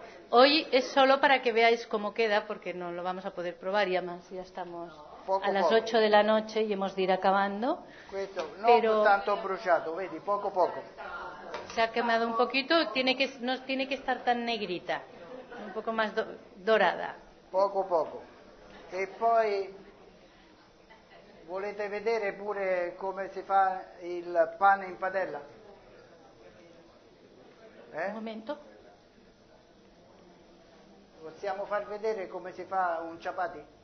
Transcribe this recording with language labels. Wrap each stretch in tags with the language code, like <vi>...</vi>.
<es>Hoy es solo para que veáis cómo queda, porque no lo vamos a poder probar ya más. Ya estamos poco, a las 8 de la noche y hemos de ir acabando.</es> <it>Questo, no</it> <es>pero...</es> <it>tanto bruciato, vedi, poco a poco.</it> <es>Se ha quemado un poquito, no tiene que estar tan negrita. Un poco más dorada. Poco a poco.</es> <it>E poi volete vedere pure come si fa il pane in padella?</it> <es>Un momento.</es> <it>Possiamo far vedere come si fa un ciabatti?</it>